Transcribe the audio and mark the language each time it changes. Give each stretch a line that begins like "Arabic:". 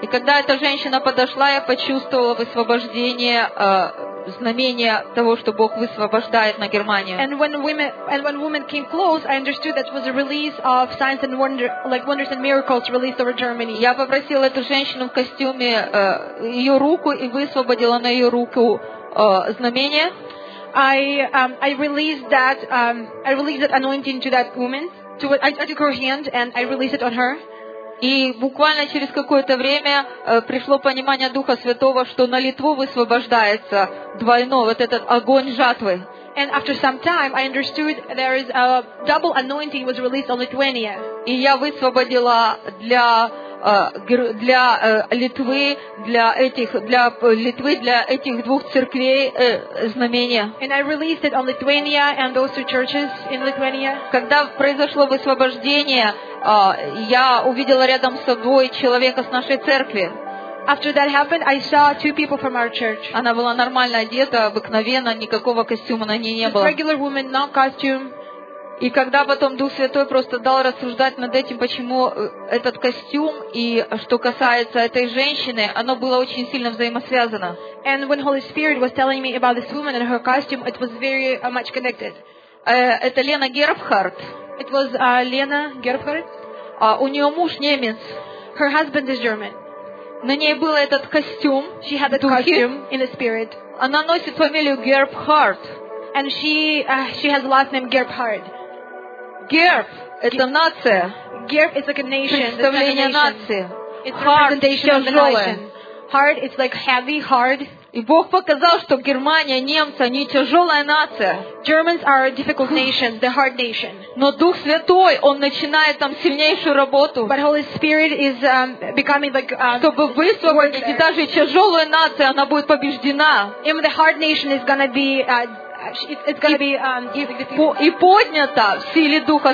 Russian: И когда эта женщина подошла, я почувствовала высвобождение, знамение того, что Бог высвобождает на Германию.
English: And when women came close, I understood that was a release of signs and wonders, like wonders and miracles released over Germany.
Russian: Я попросила эту женщину в костюме ее руку и высвободила на ее руку знамение.
English: I released that anointing to that woman. I took her hand and I released it on her.
Russian: И буквально через какое-то время пришло понимание Духа Святого, что на Литву высвобождается двойно вот этот огонь жатвы.
English: And after some time, I understood there is a double anointing was released on Lithuania.
Russian: И я высвободила для для Литвы, для этих, для Литвы, для этих двух церквей знамения.
English: And I released it on Lithuania and those two churches in Lithuania.
Russian: Когда произошло высвобождение, я увидела рядом с собой человека с нашей церкви.
English: After that happened, I saw two people from our church.
Russian: Она была нормально одета, обыкновенно, никакого костюма на ней не было.
English: Just regular woman, no costume.
Russian: И когда потом Дух Святой просто дал рассуждать над этим, почему этот костюм и что касается этой женщины, оно было очень сильно взаимосвязано.
English: And when Holy Spirit was telling me about this woman and her costume, it was very much connected.
Russian: Это Лена Герфхарт.
English: It was Lena Gerhardt.
Russian: У нее муж немец.
English: Her husband is German.
Russian: На ней был этот костюм.
English: She had that costume in the spirit.
Russian: Она носит фамилию Герфхарт.
English: And she has last name Gerhardt.
Russian: Герб это нация.
English: Герб is like a nation.
Russian: Представление нации.
English: It's representation of the nation. Hard, it's like heavy, hard.
Russian: И Бог показал, что Германия, немцы, они тяжелая нация.
English: Germans are a difficult nation, the hard nation.
Russian: Но Дух Святой, Он начинает там сильнейшую работу.
English: But Holy Spirit is becoming like.
Russian: Чтобы высвободить и даже тяжелую нацию, она будет побеждена.
English: Even the hard nation is gonna be. It's gonna be
Russian: и поднята в силе Духа